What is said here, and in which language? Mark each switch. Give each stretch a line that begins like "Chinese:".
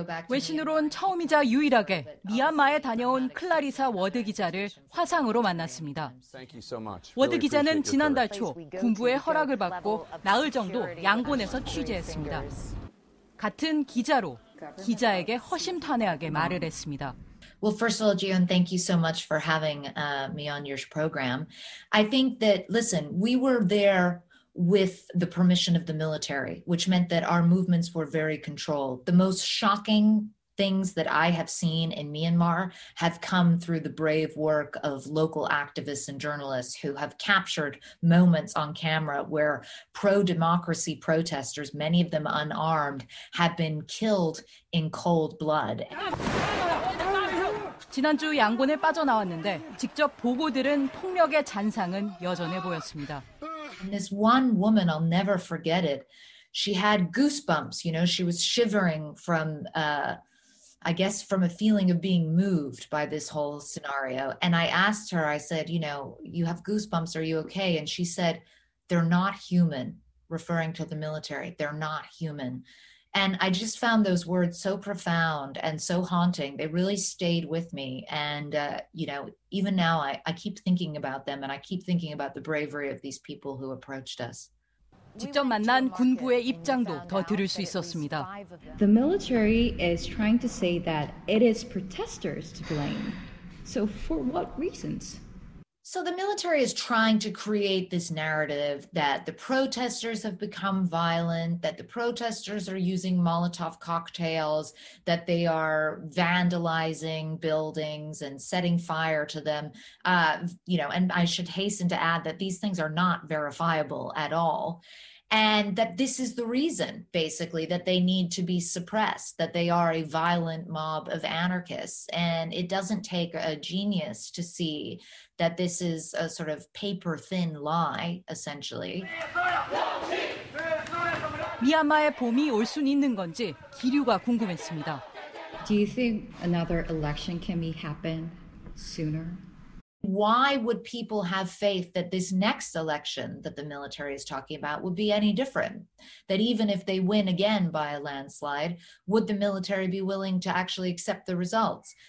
Korean: 외신으로 온 처음이자 유일하게 미얀마에 다녀온 클라리사 워드 기자를 화상으로 만났습니다. 워드 기자는 지난달 초 군부의 허락을 받고 나흘 정도 양곤에서 취재했습니다. 같은 기자로 기자에게 허심탄회하게 말을 했습니다.
English: Well, first of all, Jion, thank you so much for having me on your program. I think that, listen, we were there with the permission of the military, which meant that our movements were very controlled. The most shocking things that I have seen in Myanmar have come through the brave work of local activists and journalists who have captured moments on camera where pro-democracy protesters, many of them unarmed, have been killed in cold blood.
Korean: 지난주 양곤에 빠져나왔는데 직접 보고 들은 폭력의 잔상은 여전해 보였습니다.
English: And this one woman, I'll never forget it. She had goosebumps, you know, she was shivering from, I guess, from a feeling of being moved by this whole scenario. And I asked her, I said, you know, you have goosebumps, are you okay? And she said, they're not human, referring to the military, they're not human. And I just found those words so profound and so haunting. They really stayed with me. And, you know, even now I keep thinking about them and I keep thinking about the bravery of these people who approached us.
Korean: 직접 만난 군부의 입장도 더 들을 수 있었습니다.
English: The military is trying to say that it is protesters to blame. So for what reasons? So the military is trying to create this narrative that the protesters have become violent, that the protesters are using Molotov cocktails, that they are vandalizing buildings and setting fire to them. You know, and I should hasten to add that these things are not verifiable at all. And that this is the reason, basically, that they need to be suppressed, that they are a violent mob of anarchists. And it doesn't take a genius to see that this is a sort of paper-thin lie, essentially.
Korean: 미얀마에 봄이 올 순 있는 건지 기류가 궁금했습니다.
English: Do you think another election can be happen sooner? why would people have faith that this next election that the military is talking about would be any different? That even if they win again by a landslide, would the military be willing to actually accept the results?